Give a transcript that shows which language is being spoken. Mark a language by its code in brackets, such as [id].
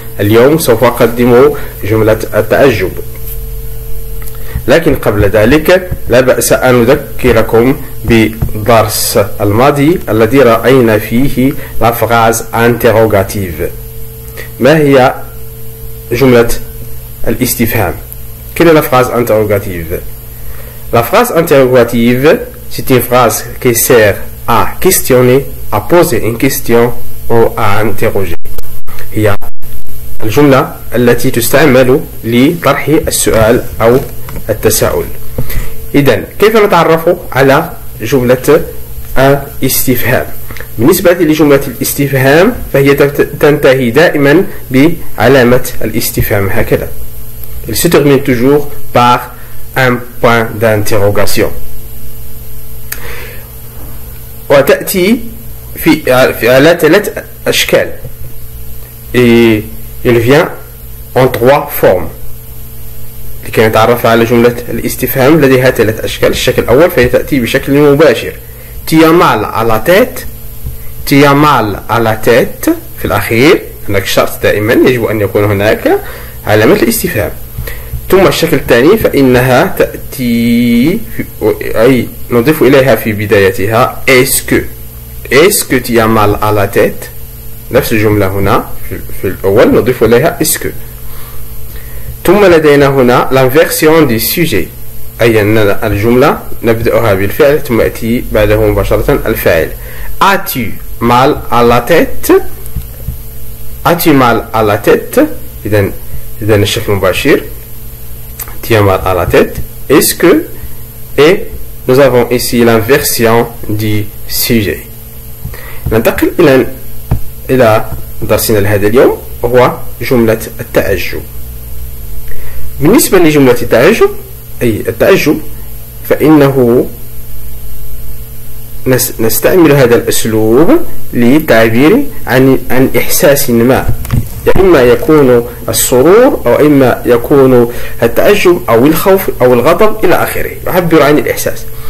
[ar] اليوم سوف أقدم جملة التعجب، لكن قبل ذلك لا بأس أن أذكركم بدرس الماضي الذي رأينا فيه لا فغاز انتروغاتيف. ما هي جملة الاستفهام؟ كلها فغاز انتروغاتيف. [fr] La phrase interrogative, c'est une phrase qui sert à questionner, à poser une question ou à interroger. [ar] هي الجملة التي تستعمل لطرح السؤال أو التساؤل. إذن كيف نتعرف على جملة الاستفهام؟ بالنسبة لجملة الاستفهام فهي تنتهي دائما بعلامة الاستفهام هكذا. [fr] Elle se termine toujours par un point d'interrogation. [ar] وتأتي في على ثلاث أشكال. [fr] Et elle vient en trois formes. [ar] لكي نتعرف على جملة الاستفهام لديها ثلاث أشكال. الشكل الأول فهي تأتي بشكل مباشر. [fr] Tu as mal à la tête. تي مال على تيت [ar] في الأخير، هناك شرط دائما يجب أن يكون هناك علامة الاستفهام. ثم الشكل الثاني فإنها تأتي أي نضيف إليها في بدايتها [fr] إسكو تي مال على تيت، [ar] نفس الجملة هنا في الأول نضيف إليها إسكو. ثم لدينا هنا [fr] لانفيرسيون دي سوجي، [ar] أي أن الجملة نبدأها بالفعل ثم يأتي بعده مباشرة الفاعل. [fr] أتي مال على la tête. As-tu mal à la tête? [ar] إذا الشكل المباشر. [fr] Tu as mal à la tête. Est-ce que? Et nous avons ici l'inversion du sujet. [ar] ننتقل إلى درسنا لهذا اليوم هو جملة التعجب. بالنسبة لجملة التعجب أي التعجب فإنه نستعمل هذا الأسلوب للتعبير عن إحساس ما، إما يكون السرور أو إما يكون التعجب أو الخوف أو الغضب إلى آخره، يعبر عن الإحساس.